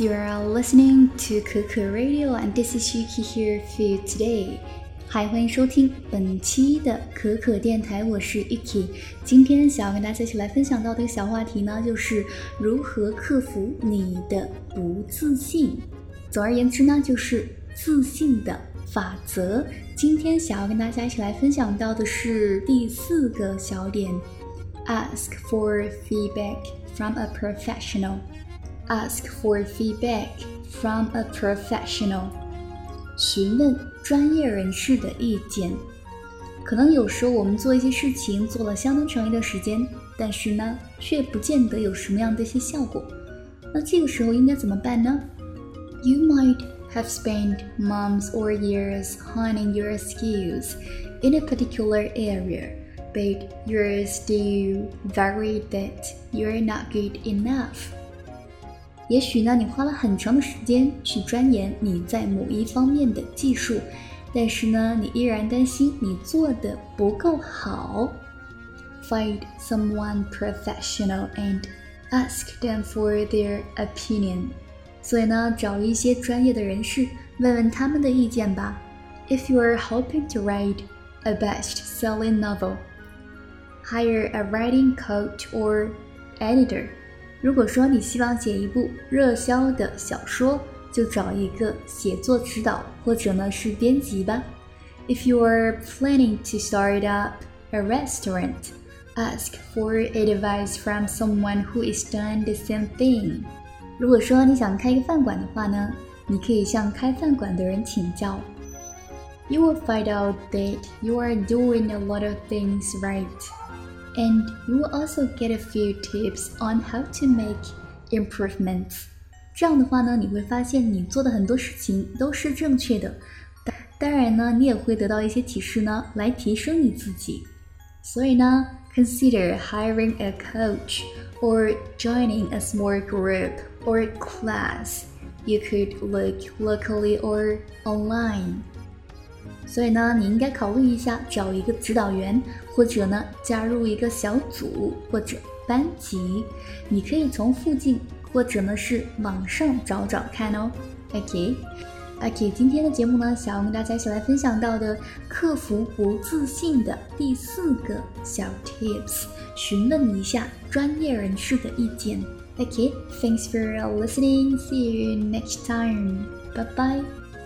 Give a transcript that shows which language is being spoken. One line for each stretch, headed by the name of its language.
English: You are listening to Cuckoo Radio, and this is Yuki here for you today.
Chinese: Hi, 欢迎收听本期的可可电台，我是 Yuki。今天想要跟大家一起来分享到的一个小话题呢，就是如何克服你的不自信。总而言之呢，就是自信的法则。今天想要跟大家一起来分享到的是第四个小点 ，
English: Ask for feedback from a professional. Ask for feedback from a professional.
Chinese: 询问专业人士的意见。可能有时候我们做一些事情做了相当长一段时间，但是呢，却不见得有什么样的一些效果。那这个时候应该怎么办呢？
English: You might have spent months or years honing your skills in a particular area, but you're still worried that you're not good enough.
Chinese: 也许呢，你花了很长的时间去钻研你在某一方面的技术，但是呢，你依然担心你做的不够好。
English: Find someone professional and ask them for their opinion.
Chinese: 所以呢，找一些专业的人士，问问他们的意见吧。
English: If you are hoping to write a best-selling novel, hire a writing coach or editor.
Chinese: 如果说你希望写一部热销的小说，就找一个写作指导或者呢是编辑吧。
English: If you are planning to start up a restaurant, ask for advice from someone who has done the same thing.
Chinese: 如果说你想开一个饭馆的话呢，你可以向开饭馆的人请教。
English: You will find out that you are doing a lot of things right. And you will also get a few tips on how to make improvements.
Chinese: 这样的话呢，你会发现你做的很多事情都是正确的。当然呢，你也会得到一些提示呢，来提升你自己。所以呢
English: ，consider hiring a coach or joining a small group or class. You could look locally or online.
Chinese: 所以呢，你应该考虑一下找一个指导员，或者呢加入一个小组或者班级。你可以从附近或者呢是网上找找看哦。 OK， 今天的节目呢，想要跟大家一起来分享到的克服不自信的第四个小 tips， 询问一下专业人士的意见。
English: OK，thanks for listening. See you next time. Bye bye.